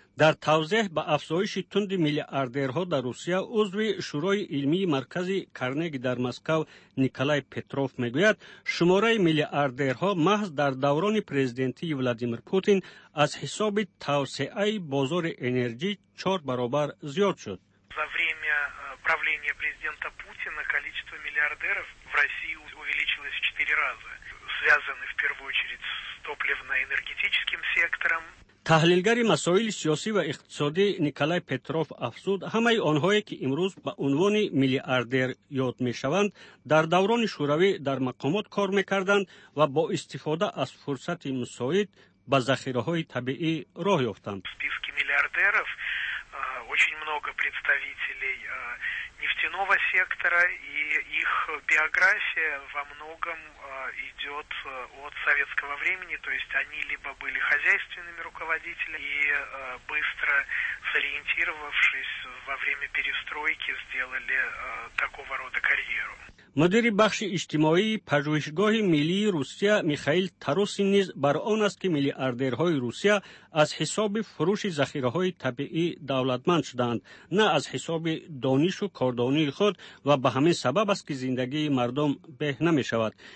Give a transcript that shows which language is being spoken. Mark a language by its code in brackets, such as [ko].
[fa] در توضیح به افزایش تند میلیاردرها در روسیه عضو شورای علمی مرکز کارنگی در مسکو نیکلای پتروف میگوید شماره میلیاردرها محض در دوران پرزیدنتی ولادیمیر پوتین از حساب توسعه بازار انرژی 4 برابر زیاد شد. [ru] За время правления президента Путина количество миллиардеров в России увеличилось в 4 раза, связанных в первую очередь с топливно-энергетическим сектором. [fa] تحلیلگر مسائل سیاسی و اقتصادی نیکلای پتروف افزود همه آنهایی که امروز به عنوان میلیاردر یاد می شوند در دوران شوروی در مقامات کار می کردند و با استفاده از فرصت مساعد به ذخیره های طبیعی راه یافتند. [ru] списке миллиардеров очень много представителей нефтяного сектора и их биография во многом идет от советского времени, то есть они либо были хозяйственными руководителями и быстро сориентировавшись во время перестройки сделали такого рода карьеру. [fa] مدیری بخش اجتماعی پژوهشگاه ملی روسیه میخائیل تروسی نیز بر آن است که میلیاردرهای روسیه از حساب فروش ذخیره های طبیعی دولتمند شدند، نه از حساب دانش و کاردانی خود، و به همین سبب است که زندگی مردم به نمی شود.